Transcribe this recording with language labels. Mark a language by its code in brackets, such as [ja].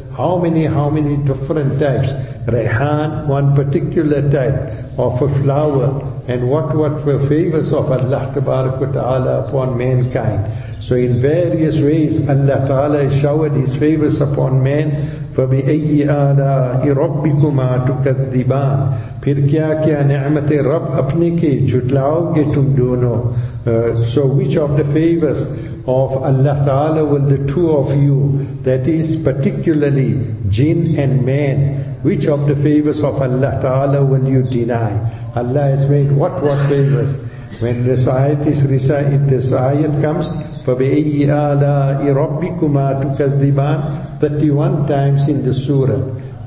[en] how many different types? Rehan, one particular type of a flower, and what were favors of Allah tabaraka ta'ala upon mankind. So in various ways Allah ta'ala has showered his favors upon man. [ar] فَبِأَيِّ آلَاءِ رَبِّكُمَا تُكَذِّبَانِ [ur] پھر کیا کیا نعمتِ رب اپنے کے جھٹلاؤ گے تم دونوں. [en] So which of the favors of Allah Ta'ala will the two of you, that is particularly jinn and man, which of the favors of Allah Ta'ala will you deny? Allah has made what favors? When this ayat is recited, this ayat comes, [ar] فَبِأَيِّ آلَاءِ رَبِّكُمَا تُكَذِّبَانِ [en] 31 times in the surah.